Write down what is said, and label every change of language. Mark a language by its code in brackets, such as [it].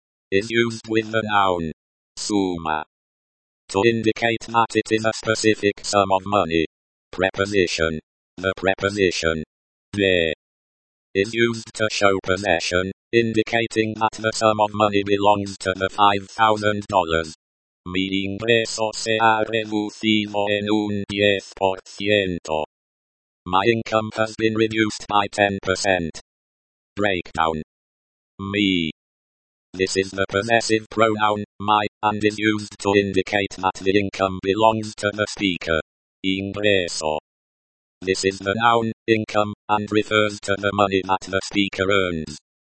[en] Is used with the noun. Suma. To indicate that it is a specific sum of money. Preposition. The preposition. De. Is used to show possession, indicating that the sum of money belongs to the $5,000. [es] Mi ingreso se ha reducido en un 10%. [en] My income has been reduced by 10%. Breakdown. Me. This is the possessive pronoun, my, and is used to indicate that the income belongs to the speaker. Ingreso. This is the noun, income, and refers to the money that the speaker earns.